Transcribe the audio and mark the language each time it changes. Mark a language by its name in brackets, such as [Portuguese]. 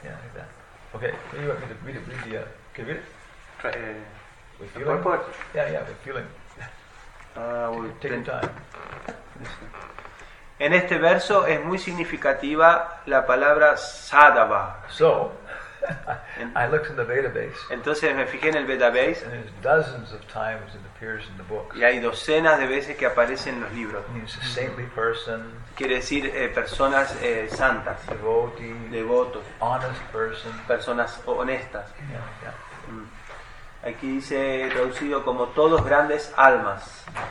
[English] Yeah, yeah. Okay. Can you read it? Read it. Read the, can you read it? With feeling? Purport. Yeah, yeah, with feeling. Take your time. [Spanish] En este verso es muy significativa la palabra sadhava. [English] So, I looked in the database. [Spanish] Entonces me fijé en el database. [English] And there's dozens of times it appears in the books. [Spanish] Y hay docenas de veces que aparece en los libros. [English] It's a saintly person. [Spanish] Quiere decir personas santas. [English] Devotee. [Spanish] Devoto. [English] Honest person. [Spanish] Personas honestas. [English] Yeah, yeah. Mm. [Spanish] Aquí dice traducido como todos grandes almas.